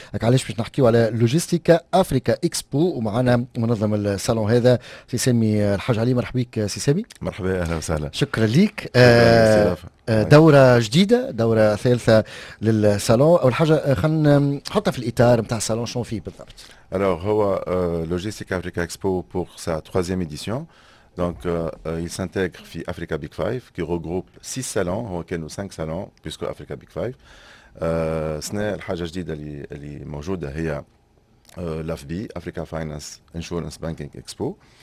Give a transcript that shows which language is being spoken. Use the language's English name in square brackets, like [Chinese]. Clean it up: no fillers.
[Arabic] علاش باش نحكيو على لوجيستيكا أفريكا إكسبو ومعنا منظم السالون هذا سي سامي الحاج علي. مرحبا بك سي سامي. مرحبا أهلا وسهلا. شكرا لك. دورة جديدة دورة ثالثة للسالون. أول حاجة خلنا نحطها في الإطار متاع السالون شنو فيه بالضبط. [French] Alors هو Logistique Africa Expo pour sa troisième édition. Donc il s'intègre في Africa Big Five qui regroupe six salons. [Arabic] هو كانوا [French] cinq salons puisque Africa Big Five. [Arabic] سنة الحاجة جديدة اللي موجودة هي l'AFBI Africa Finance Insurance Banking Expo.